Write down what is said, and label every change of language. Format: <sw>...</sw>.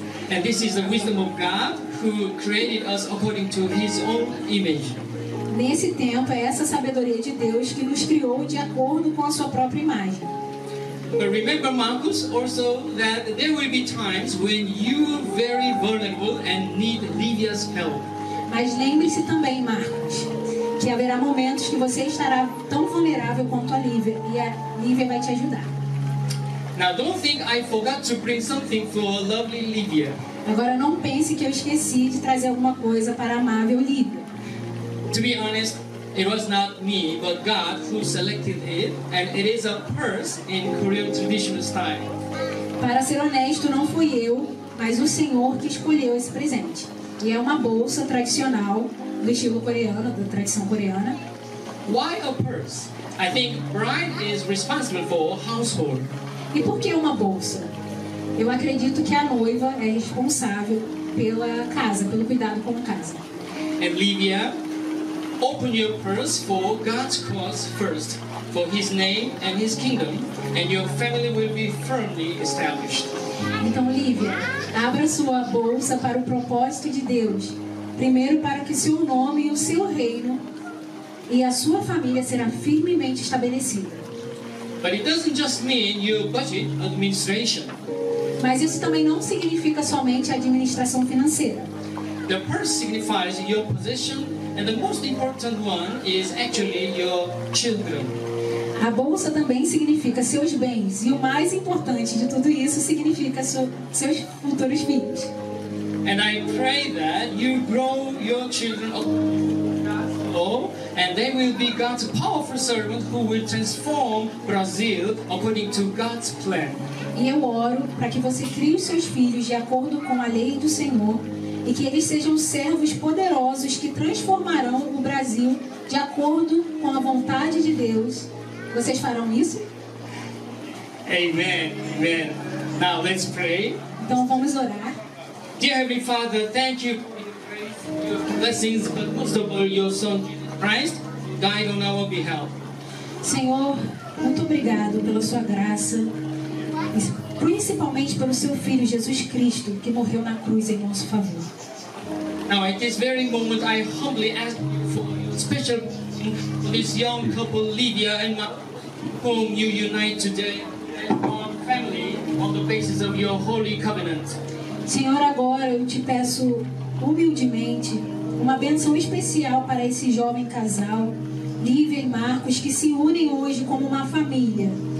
<en>And this is the wisdom of God, who created us according to His own image.</en> <pt>Nesse tempo, é essa sabedoria de Deus que nos criou de acordo com a sua própria imagem.</pt> <en>But remember, Marcus, also that there will be times when you are very vulnerable and need Lydia's help.</en> <pt>Mas lembre-se também, Marcos, que haverá momentos que você estará tão vulnerável quanto a Lívia, e a Lívia vai te ajudar.</pt> <en>Now, don't think I forgot to bring something for a lovely Lydia.</en> <pt>Agora, não pense que eu esqueci de trazer alguma coisa para a amável Lívia.</pt> <en>To be honest, it was not me, but God who selected it, and it is a purse in Korean traditional style.</en> <pt>Para ser honesto, não fui eu, mas o Senhor que escolheu esse presente. E é uma bolsa tradicional do estilo coreano, da tradição coreana.</pt> <en>Why a purse? I think bride is responsible for household.</en> <pt>E por que uma bolsa? Eu acredito que a noiva é responsável pela casa, pelo cuidado com a casa.</pt> <en>And Livia, open your purse for God's cause first, for His name and His kingdom, and your family will be firmly established.</en> <pt>Então, Lívia, abra sua bolsa para o propósito de Deus. Primeiro, para que seu nome e o seu reino e a sua família será firmemente estabelecida.</pt> <en>But it doesn't just mean your budget administration.</en> <pt>Mas isso também não significa somente a administração financeira.</pt> <en>The purse signifies your position, and the most important one is actually your children.</en> <pt>A bolsa também significa seus bens, e o mais importante de tudo isso significa seus futuros filhos.</pt> <en>And I pray that you grow your children up, and they will be God's powerful servant who will transform Brazil according to God's plan.</en> <pt>E eu oro para que você crie os seus filhos de acordo com a lei do Senhor e que eles sejam servos poderosos que transformarão o Brasil de acordo com a vontade de Deus. Vocês farão isso?</pt> <en>Amen, amen. Now let's pray.</en> <pt>Então vamos orar.</pt> <en>Dear Heavenly Father, thank you for your grace, your blessings, but most of all your Son Jesus Christ died on our behalf.</en> <pt>Senhor, muito obrigado pela sua graça, principalmente pelo seu filho Jesus Cristo, que morreu na cruz em nosso favor.</pt> <en>Now at this very moment, I humbly ask you for your special for this young couple, Lydia and Mark, whom you unite today as one family on the basis of your holy covenant.</en> <pt>Senhor, agora eu te peço humildemente uma bênção especial para esse jovem casal, Lívia e Marcos, que se unem hoje como uma família.</pt>